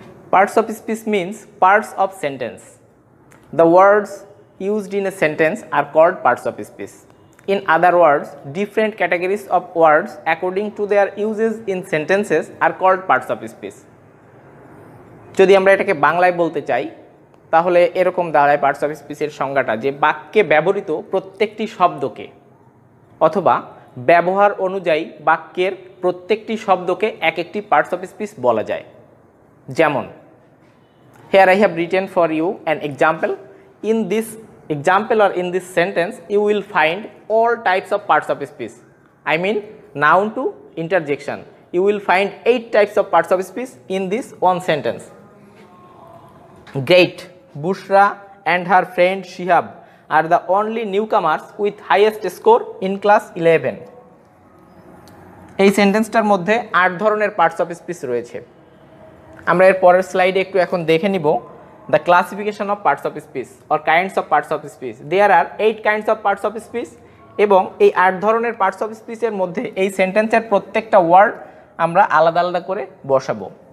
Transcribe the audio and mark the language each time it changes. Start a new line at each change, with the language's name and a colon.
English: Parts of speech means parts of sentence. The words used in a sentence are called parts of speech. In other words, different categories of words according to their uses in sentences are called parts of speech.
Bangla: Jodi amra etake banglay bolte chai, তাহলে এরকম দাঁড়ায় parts of স্পিচের সংজ্ঞাটা, যে বাক্যে ব্যবহৃত প্রত্যেকটি শব্দকে অথবা ব্যবহার অনুযায়ী বাক্যের প্রত্যেকটি শব্দকে এক একটি পার্টস অফ স্পিচ বলা যায়।
English: যেমন, here I have written for you an example, in this example or in this sentence you will find all types of parts of speech, I mean noun to interjection, you will find eight types of parts of speech in this one sentence. Great, Bushra and her friend Shihab are the only newcomers with highest score in class 11.
Bangla: এই সেন্টেন্সটার মধ্যে আট ধরনের parts of speech রয়েছে। আমরা এর পরের স্লাইডে একটু এখন দেখে নিব
English: the classification of parts of speech
Bangla: or kinds of parts of speech.
English: there are eight kinds of parts of speech,
Bangla: এবং এই আট ধরনের পার্টস অফ স্পিচের মধ্যে এই সেন্টেন্সের প্রত্যেকটা ওয়ার্ড আমরা আলাদা আলাদা করে বসাবো।